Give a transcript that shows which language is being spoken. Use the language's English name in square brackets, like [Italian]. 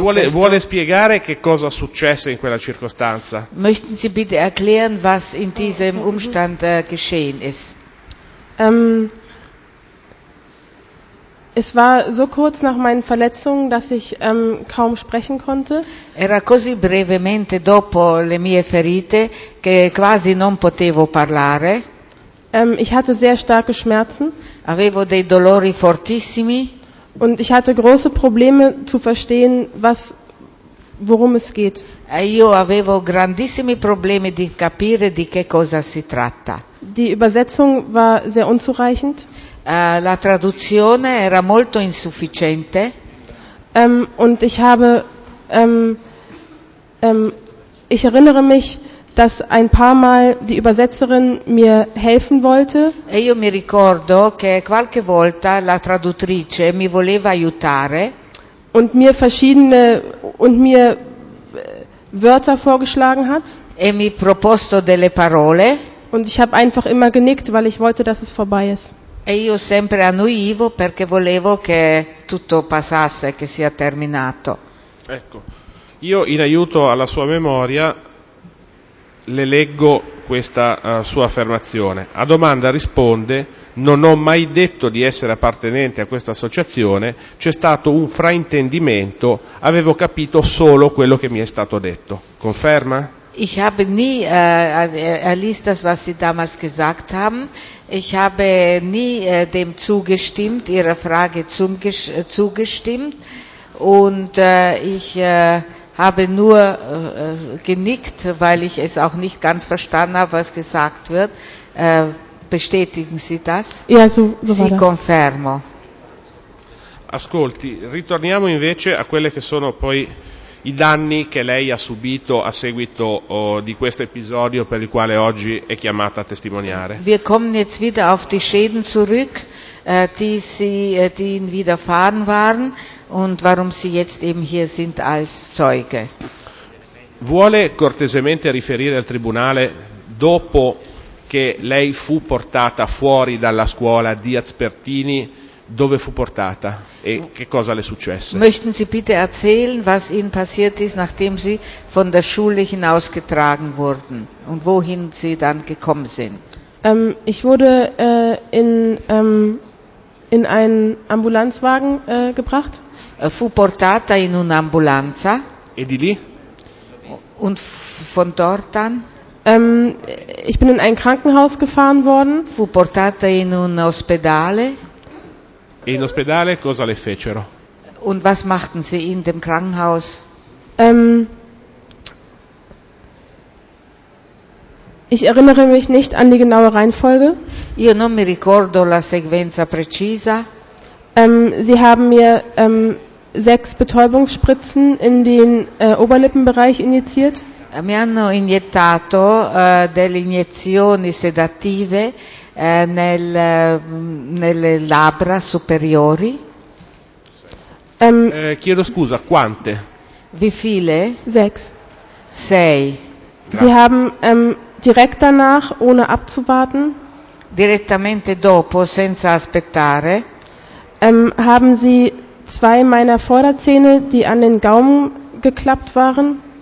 [Italian] Vuole spiegare che cosa successe in quella circostanza? [German] Möchten Sie bitte erklären, was in diesem Umstand geschehen ist? Es war so kurz nach meinen Verletzungen, dass ich kaum sprechen konnte. [Italian] Era così brevemente dopo le mie ferite che quasi non potevo parlare. [German] Ich hatte sehr starke Schmerzen. [Italian] Avevo dei dolori fortissimi. [German] Und ich hatte große Probleme zu verstehen, worum es geht. [Italian] E io avevo grandissimi problemi di capire di che cosa si tratta. [German] Die Übersetzung war sehr unzureichend. [Italian] La traduzione era molto insufficiente. [German] Und ich habe, ich erinnere mich, dass ein paar Mal die Übersetzerin mir helfen wollte. [Italian] E io mi ricordo che qualche volta la traduttrice mi voleva aiutare. [German] Und mir verschiedene und mir Wörter vorgeschlagen hat. [Italian] E mi proposto delle parole. [German] Und ich habe einfach immer genickt, weil ich wollte, dass es vorbei ist. [Italian] E io sempre annuivo perché volevo che tutto passasse, che sia terminato. Ecco, io in aiuto alla sua memoria le leggo questa sua affermazione. A domanda risponde: non ho mai detto di essere appartenente a questa associazione, c'è stato un fraintendimento, avevo capito solo quello che mi è stato detto. Conferma? [German] Ich habe nie, er liest das, was Sie damals gesagt haben. Ich habe nie dem zugestimmt, Ihrer Frage zugestimmt. Und ich habe nur genickt, weil ich es auch nicht ganz verstanden habe, was gesagt wird. Bestätigen Sie das? Ja, so war das. [Italian] Sie confermo. Ascolti, ritorniamo invece a quelle che sono poi i danni che lei ha subito a seguito di questo episodio per il quale oggi è chiamata a testimoniare. [German] Wir kommen jetzt wieder auf die Schäden zurück, die Ihnen widerfahren waren und warum Sie jetzt eben hier sind als Zeuge. [Italian] Vuole cortesemente riferire al tribunale dopo che lei fu portata fuori dalla scuola Diaz Pertini? Dove fu portata e che cosa le successe? [German] Möchten Sie bitte erzählen, was Ihnen passiert ist, nachdem Sie von der Schule hinausgetragen wurden und wohin Sie dann gekommen sind? Ich wurde in einen Ambulanzwagen gebracht. [Italian] Fu portata in un'ambulanza. E di lì? [German] Und von dort dann? Ich bin in ein Krankenhaus gefahren worden. [Italian] Fu portata in un ospedale. E in ospedale cosa le fecero? [German] Und was machten sie in dem Krankenhaus? Ich erinnere mich nicht an die genaue Reihenfolge. [Italian] Io non mi ricordo la sequenza precisa. [German] Sie haben mir 6 Betäubungsspritzen in den Oberlippenbereich injiziert. [Italian] Mi hanno iniettato delle iniezioni sedative nelle labbra superiori. Chiedo scusa, quante? [German] Wie viele? 6. [Italian] 6. [German] Sie haben direkt danach, ohne abzuwarten, [Italian] direttamente dopo, senza aspettare, [German] haben sie 2 meiner Vorderzähne, die an den Gaumen geklappt waren,